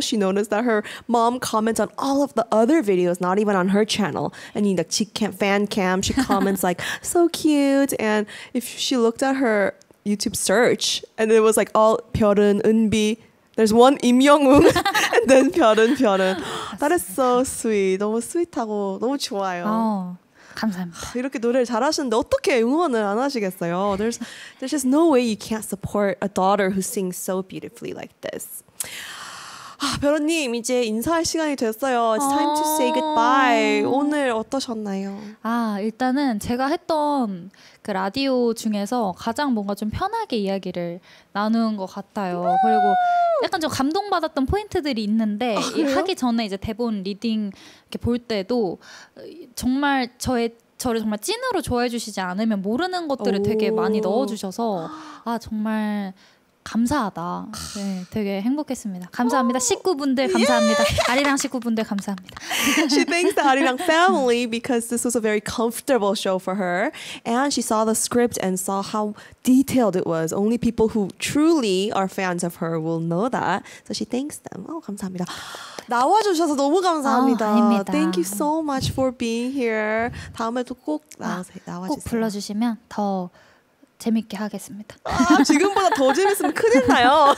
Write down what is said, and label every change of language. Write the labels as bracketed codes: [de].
[en] She noticed that her mom comments on all of the other videos, not even on her channel. And you know, fan cam, she comments like, so cute. And if she looked at her YouTube search, and it was like all 별은, 은비, there's one 임영웅, and then 별은. That is so sweet. [ko] 너무 sweet하고 너무 좋아요. 감사합니다. 이렇게 노래를 잘하시는데 어떻게 응원을 안 하시겠어요? [en] There's just no way you can't support a daughter who sings so beautifully like this. [ko] 아, 별은님 이제 인사할 시간이 됐어요. [en] It's time to say goodbye. [ko] 오늘 어떠셨나요? 아 일단은 제가 했던 그 라디오 중에서 가장 뭔가 좀 편하게 이야기를 나누는 것 같아요. 그리고 약간 좀 감동받았던 포인트들이 있는데 아, 하기 전에 이제 대본 리딩 이렇게 볼 때도 정말 저를 정말 찐으로 좋아해 주시지 않으면 모르는 것들을 되게 많이 넣어주셔서 아 정말 감사하다. 네, 되게 행복했습니다. 감사합니다. 19분들 감사합니다. Yeah! 아리랑 19분들 감사합니다. [en] She thanks the Arirang family because this was a very comfortable show for her. And she saw the script and saw how detailed it was. Only people who truly are fans of her will know that. So she thanks them. [ko] 감사합니다. 나와주셔서 너무 감사합니다. 아닙니다. [en] Thank you so much for being here. [ko] 다음에도 꼭 나와주세요. 꼭 불러주시면 더 재밌게 하겠습니다. 아, 지금보다 더 재밌으면 큰일 나요.